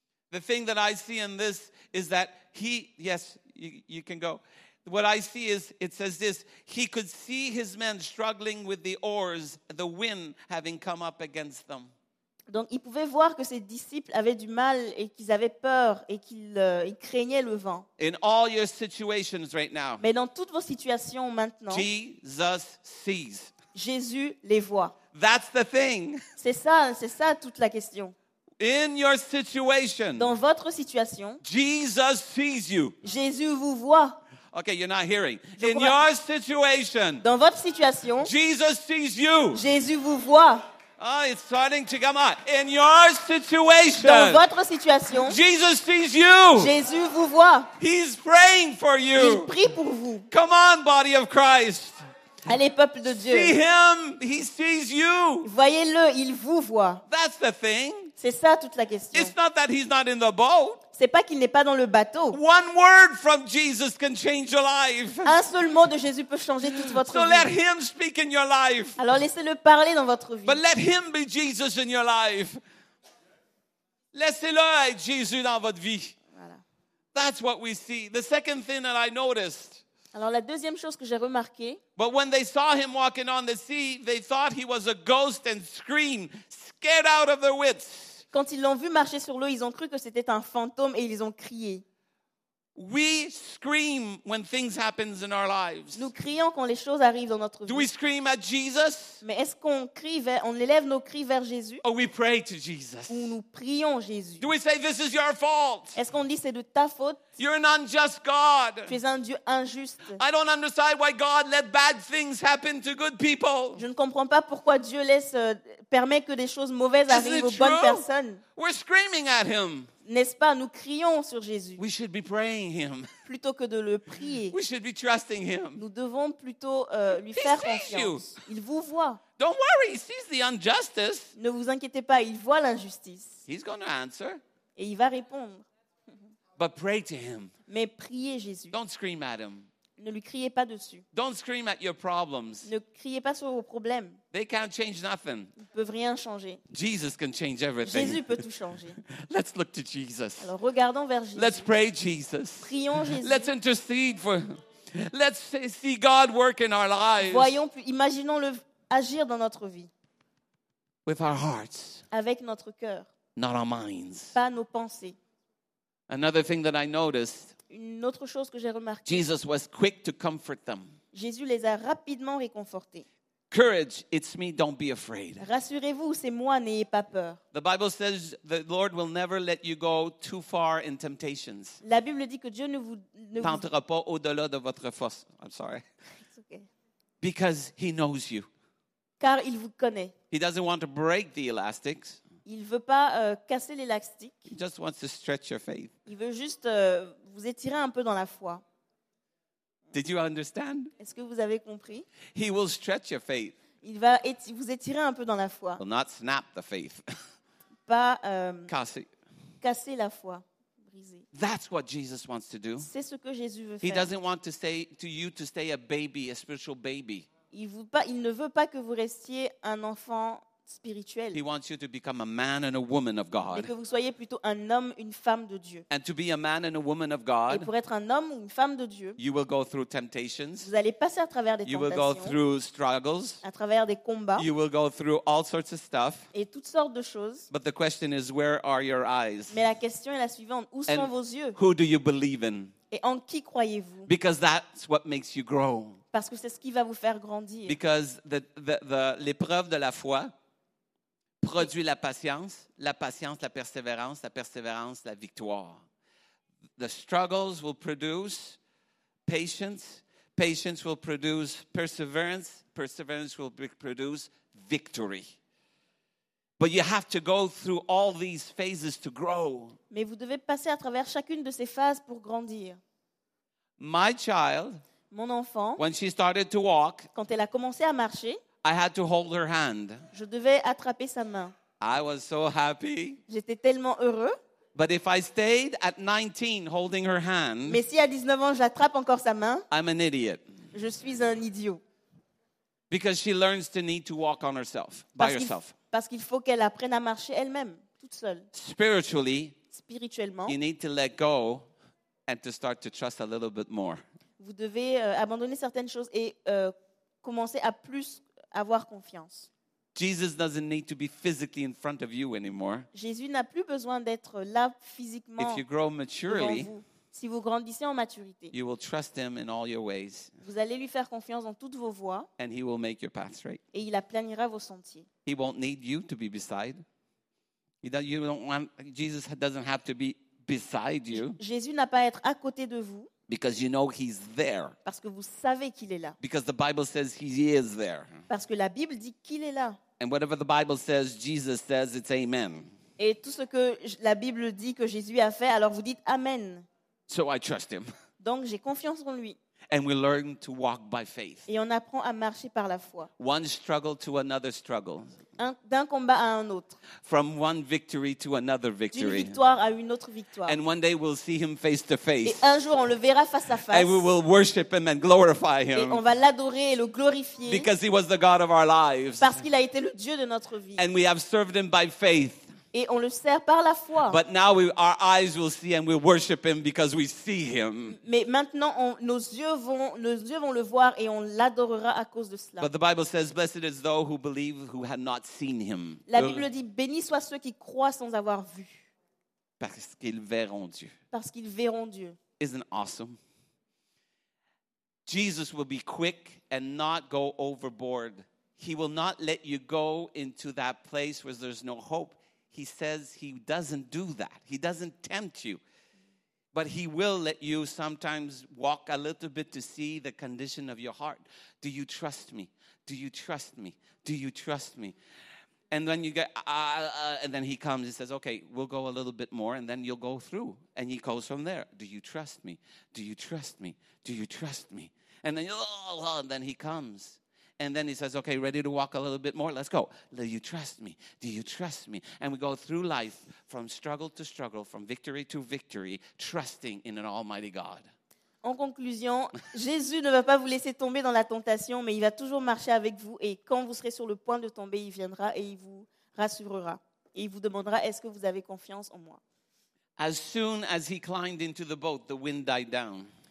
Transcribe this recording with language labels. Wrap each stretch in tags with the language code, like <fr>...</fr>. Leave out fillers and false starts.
<en>The thing that I see in this is that he yes, you can go. What I see is, it says this, he could see his men struggling with the oars, the wind having come up against them.</en> <fr>Donc, il pouvait voir que ses disciples avaient du mal et qu'ils avaient peur et qu'ils craignaient le vent.</fr> <en>In all your situations right now.</en> <fr>Mais dans toutes vos situations maintenant,</fr> <en>Jesus sees.</en> <fr>Jésus les voit.</fr> <en>That's the thing.</en> <fr>C'est ça toute la question.</fr> <en>In your situation.</en> <fr>Dans votre situation,</fr> <en>Jesus sees you.</en> <fr>Jésus vous voit.</fr> <en>Okay, you're not hearing. In your situation,</en> <fr>dans votre situation,</fr> <en>Jesus sees you.</en> <fr>Jésus vous voit.</fr> <en>Oh, it's starting to come out. In your situation,</en> <fr>dans votre situation,</fr> <en>Jesus sees you.</en> <fr>Jésus vous voit.</fr> <en>He's praying for you.</en> <fr>Il prie pour vous.</fr> <en>Come on, body of Christ.</en> <fr>Allez, peuple de Dieu.</fr> <en>See him. He sees you.</en> <fr>Voyez-le. Il vous voit.</fr> <en>That's the thing.</en> <fr>C'est ça toute la question.</fr> <en>It's not that he's not in the boat.</en> <fr>C'est pas qu'il n'est pas dans le bateau.</fr> <en>One word from Jesus can change your life.</en> <fr>Un seul mot de Jésus peut changer toute votre vie.</fr> <en>So let him speak in your life.</en> <fr>Alors laissez-le parler dans votre vie.</fr> <en>But let him be Jesus in your life.</en> <fr>Laissez-le être Jésus dans votre vie. Voilà.</fr> <en>That's what we see. The second thing that I noticed.</en> <fr>Alors la deuxième chose que j'ai remarqué.</fr> <en>But when they saw him walking on the sea, they thought he was a ghost and screamed, scared out of their wits.</en> <fr>Quand ils l'ont vu marcher sur l'eau, ils ont cru que c'était un fantôme et ils ont crié.</fr> <en>We scream when things happen in our lives.</en> <fr>Nous crions quand les choses arrivent dans notre vie.</fr> <en>Do we scream at Jesus?</en> <fr>Mais est-ce qu'on crie vers, on élève nos cris vers Jésus?</fr> <en>Or we pray to Jesus.</en> <fr>Ou nous prions Jésus?</fr> <en>Do we say this is your fault?</en> <fr>Est-ce qu'on dit c'est de ta faute?</fr> <en>You're an unjust God.</en> <fr>Tu es un Dieu injuste.</fr> <en>I don't understand why God let bad things happen to good people.</en> <fr>Je ne comprends pas pourquoi Dieu laisse permet que des choses mauvaises arrivent aux bonnes personnes.</fr> <en>We're screaming at him.</en> <fr>N'est-ce pas, nous crions sur Jésus.</fr> <en>We should be praying him.</en> <fr>Plutôt que de le prier.</fr> <en>We should be trusting him.</en> <fr>Nous devons plutôt lui faire confiance.</fr> <en>You.</en> <fr>Il vous voit.</fr> <en>Don't worry, he sees the injustice.</en> <fr>Ne vous inquiétez pas, il voit l'injustice.</fr> <en>He's gonna answer.</en> <fr>Et il va répondre.</fr> <en>But pray to him.</en> <fr>Mais priez Jésus.</fr> <en>Don't scream at him.</en> <fr>Ne lui criez pas dessus.</fr> <en>Don't scream at your problems.</en> <fr>Ne criez pas sur vos problèmes.</fr> <en>They can't change nothing.</en> <fr>Ils ne peuvent rien changer.</fr> <en>Jesus can change everything.</en> <fr>Jésus peut tout changer.</fr> <en>Let's look to Jesus.</en> <fr>Alors regardons vers Jésus.</fr> <en>Let's pray Jesus.</en> <fr>Prions Jésus.</fr> <en>Let's intercede for. Let's see God work in our lives.</en> <fr>Voyons, imaginons-le agir dans notre vie.</fr> <en>With our hearts.</en> <fr>Avec notre cœur.</fr> <en>Not our minds.</en> <fr>Pas nos pensées.</fr> <en>Another thing that I noticed.</en> <fr>Une autre chose que j'ai remarqué.</fr> <en>Jesus was quick to comfort them.</en> <fr>Jésus les a rapidement réconfortés.</fr> <en>Courage, it's me, don't be afraid.</en> <fr>Rassurez-vous, c'est moi, n'ayez pas peur.</fr> <en>The Bible says the Lord will never let you go too far in temptations.</en> <fr>La Bible dit que Dieu ne tentera pas au-delà de votre force.</fr> <en>I'm sorry. It's okay. Because he knows you.</en> <fr>Car il vous connaît.</fr> <en>He doesn't want to break the elastics.</en> <fr>Il veut pas casser l'élastique.</fr> <en>He just wants to stretch your faith.</en> <fr>Il veut juste vous étirer un peu dans la foi.</fr> <en>Did you understand?</en> <fr>Est-ce que vous avez compris?</fr> <en>He will stretch your faith.</en> <fr>Il va vous étirer un peu dans la foi.</fr> <en>Will not snap the faith.</en> <fr>Pas casser la foi, briser. That's what Jesus wants to do. C'est ce que Jésus veut</fr> <en>He</en> <fr>faire.</fr> <en>He doesn't want to stay to you to stay a baby, a spiritual baby.</en> <fr>Il ne veut pas que vous restiez un enfant spirituel.</fr> <en>He wants you to become a man and a woman of God.</en> <fr>Et que vous soyez plutôt un homme, une femme de Dieu.</fr> <en>And to be a man and a woman of God.</en> <fr>Et pour être un homme ou une femme de Dieu.</fr> <en>You will go through temptations.</en> <fr>Vous allez passer à travers des tentations.</fr> <en>You will go through struggles.</en> <fr>À travers des combats.</fr> <en>You will go through all sorts of stuff.</en> <fr>Et toutes sortes de choses.</fr> <en>But the question is, where are your eyes?</en> <fr>Mais la question est la suivante, où</fr> <en>and</en> <fr>sont vos yeux?</fr> <en>Who do you believe in?</en> <fr>Et en qui croyez-vous?</fr> <en>Because that's what makes you grow.</en> <fr>Parce que c'est ce qui va vous faire grandir.</fr> <en>Because the</en> <fr>l'épreuve de la foi produit la patience, la patience, la persévérance, la victoire.</fr> <en>The struggles will produce patience, patience will produce perseverance, perseverance will produce victory. But you have to go through all these phases to grow.</en> <fr>Mais vous devez passer à travers chacune de ces phases pour grandir.</fr> <en>My child,</en> <fr>mon enfant,</fr> <en>when she started to walk,</en> <fr>quand elle a commencé à marcher,</fr> <en>I had to hold her hand.</en> <fr>Je devais attraper sa main.</fr> <en>I was so happy.</en> <fr>J'étais tellement heureux.</fr> <en>But if I stayed at 19 holding her hand,</en> <fr>mais si à 19 ans j'attrape encore sa main,</fr> <en>I'm an idiot.</en> <fr>Je suis un idiot.</fr> <en>Because she learns to need to walk on herself, by herself.</en> <fr>Parce qu'il faut qu'elle apprenne à marcher elle-même, toute seule.</fr> <en>Spiritually,</en> <fr>spirituellement,</fr> <en>you need to let go and to start to trust a little bit more.</en> <fr>Vous devez abandonner certaines choses et commencer à plus avoir confiance.</fr> <en>Jesus doesn't need to be physically in front of you anymore.</en> <fr>Jésus n'a plus besoin d'être là physiquement.</fr> <en>If you grow maturely,</en> <fr>si vous grandissez en maturité,</fr> <en>you will trust him in all your ways.</en> <fr>Vous allez lui faire confiance dans toutes vos voies.</fr> <en>And he will make your path straight.</en> <fr>Et il aplanira vos sentiers.</fr> <en>He won't need you to be beside. You don't want Jesus doesn't have to be beside you.</en> <fr>Jésus n'a pas à être à côté de vous.</fr> <en>Because you know he's there.</en> <fr>Parce que vous savez qu'il est là.</fr> <en>Because the Bible says he is there.</en> <fr>Parce que la Bible dit qu'il est là.</fr> <en>And whatever the Bible says, Jesus says it's amen.</en> <fr>Et tout ce que la Bible dit que Jésus a fait, alors vous dites amen.</fr> <en>So I trust him.</en> <fr>Donc j'ai confiance en lui.</fr> <en>And we learn to walk by faith.</en> <fr>Et on apprend à marcher par la foi.</fr> <en>One struggle to another struggle.</en> <fr>D'un combat à un autre.</fr> <en>From one victory to another victory.</en> <fr>D'une victoire à une autre victoire.</fr> <en>And one day we'll see him face to face.</en> <fr>Et un jour on le verra face à face.</fr> <en>And we will worship him and glorify him.</en> <fr>Et on va l'adorer et le glorifier.</fr> <en>Because he was the God of our lives.</en> <fr>Parce qu'il a été le Dieu de notre vie.</fr> <en>And we have served him by faith.</en> <fr>Et on le sert par la foi.</fr> <en>But now our eyes will see and we'll worship him because we see him.</en> <fr>Mais maintenant nos yeux vont le voir et on l'adorera à cause de cela.</fr> <en>But the Bible says, blessed is those who believe who had not seen him.</en> <fr>La Bible dit, béni soient ceux qui croient sans avoir vu. Parce qu'ils verront Dieu. Parce qu'ils verront Dieu.</fr> <en>Isn't awesome? Jesus will be quick and not go overboard. He will not let you go into that place where there's no hope. He says he doesn't do that. He doesn't tempt you. But he will let you sometimes walk a little bit to see the condition of your heart. Do you trust me? Do you trust me? Do you trust me? And then you get, and then he comes and says, okay, we'll go a little bit more and then you'll go through. And he goes from there. Do you trust me? Do you trust me? Do you trust me? And then, and then he comes. And then he says, okay, ready to walk a little bit more? Let's go. Do you trust me? Do you trust me? And we go through life from struggle to struggle, from victory to victory, trusting in an almighty God.</en> <fr>En conclusion, Jésus ne va pas vous laisser tomber dans la tentation, mais il va toujours marcher avec vous. Et quand vous serez sur le point de tomber, il viendra et il vous rassurera. Et il vous demandera, est-ce que vous avez confiance en moi?</fr> <en>As soon as he climbed into the boat, the wind died down.</en>